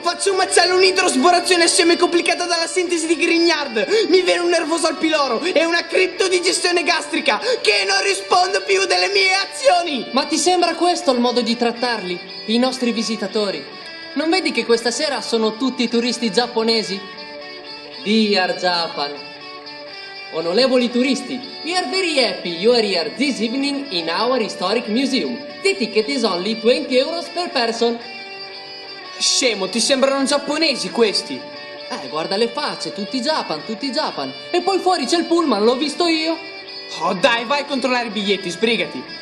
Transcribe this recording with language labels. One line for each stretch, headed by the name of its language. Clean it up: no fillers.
Italian: Faccio un macello, un'idrosborazione assieme complicata dalla sintesi di Grignard. Mi viene un nervoso al piloro e una criptodigestione gastrica che non rispondo più delle mie azioni. Ma ti sembra questo il modo di trattarli, i nostri visitatori? Non vedi che questa sera sono tutti turisti giapponesi?
English: Dear Japan,
Italian: onorevoli turisti,
English: we are very happy you are here this evening in our historic museum. The ticket is only 20 euros per person.
Italian: Scemo, ti sembrano giapponesi questi? Guarda le facce, tutti Japan. E poi fuori c'è il pullman, l'ho visto io. Oh dai, vai a controllare i biglietti, sbrigati.